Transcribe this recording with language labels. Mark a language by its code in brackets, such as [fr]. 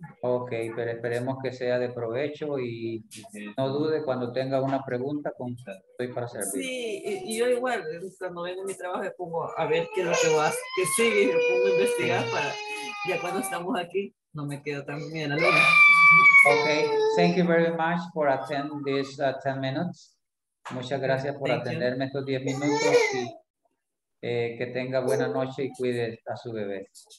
[es] Ok, pero esperemos que sea de provecho y no dude cuando tenga una pregunta, estoy para servir. Sí, y yo igual, cuando vengo a mi trabajo, me pongo a ver qué es lo que va, que sigue, y me pongo a investigar para, ya cuando estamos aquí, no me quedo tan bien alone. [en] Ok, thank you very much for attending this 10 minutes. [es] Muchas gracias por atenderme estos 10 minutos y que tenga buena noche y cuide a su bebé.